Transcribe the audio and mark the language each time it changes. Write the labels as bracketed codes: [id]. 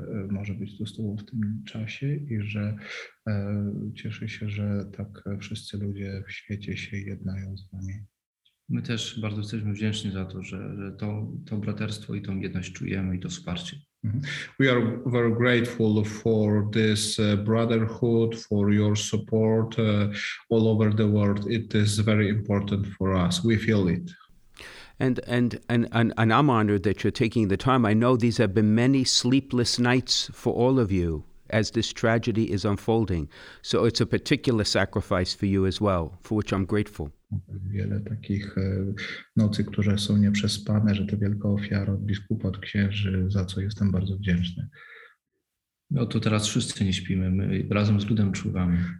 [pl] Może być tu stół w tym czasie i że cieszę się, że tak wszyscy ludzie w świecie się jednają z nami. My też bardzo jesteśmy wdzięczni za to, że to braterstwo i tą jedność czujemy i to wsparcie. [en] We are very grateful for this brotherhood, for your support all over the world. It is very important for us. We feel it. And I'm honored that you're taking the time. I know these have been many sleepless nights for all of you as this tragedy is unfolding. So it's a particular sacrifice for you as well, for which I'm grateful. [pl] Wiele takich nocy, które są nieprzespane, że to wielka ofiara od biskupa, od księży, za co jestem bardzo wdzięczny. No to teraz wszyscy nie śpimy, my razem z ludem czuwamy.